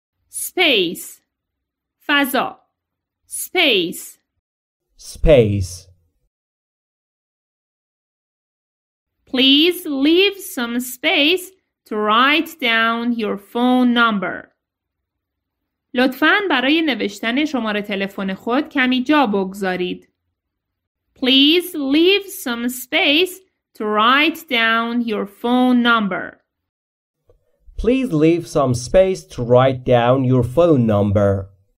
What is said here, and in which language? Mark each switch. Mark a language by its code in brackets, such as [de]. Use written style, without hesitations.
[en] Space. فضا. Space. Space. Please leave some space to write down your phone number. [fa] لطفاً برای نوشتن شماره تلفن خود کمی جا بگذارید. [en] Please leave some space to write down your phone number. Please leave some space to write down your phone number.